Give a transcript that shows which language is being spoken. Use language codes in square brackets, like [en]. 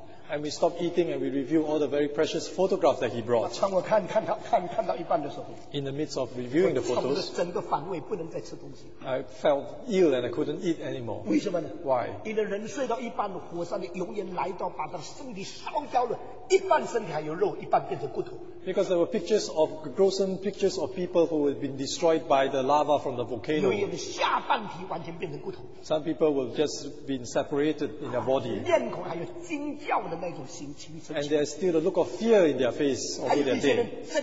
[en] And we stopped eating and we reviewed all the very precious photographs that he brought. [zh] 我看到一半的时候, [en] in the midst of reviewing the photos, [zh] 我整个反胃, [en] I felt ill and I couldn't eat anymore. [zh] 为什么呢? [en] Why? [zh] 你的人睡到一半, 火山的油烟来到, 把他的身体烧焦了, [en] because there were pictures of gruesome pictures of people who had been destroyed by the lava from the volcano. Some people were just been separated in their body. And there's still a look of fear in their face over their day.